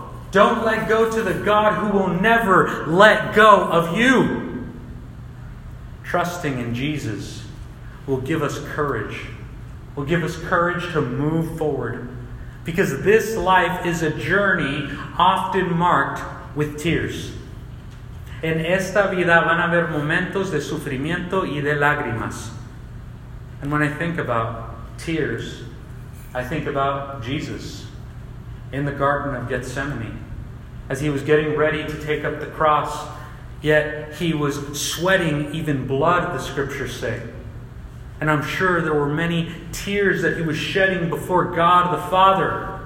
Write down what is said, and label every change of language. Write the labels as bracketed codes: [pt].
[en] Don't let go to the God who will never let go of you. Trusting in Jesus will give us courage. Will give us courage to move forward. Because this life is a journey often marked with tears. [es] En esta vida van a haber momentos de sufrimiento y de lágrimas. [en] And when I think about tears, I think about Jesus in the Garden of Gethsemane as He was getting ready to take up the cross, yet He was sweating even blood, the scriptures say. And I'm sure there were many tears that He was shedding before God the Father.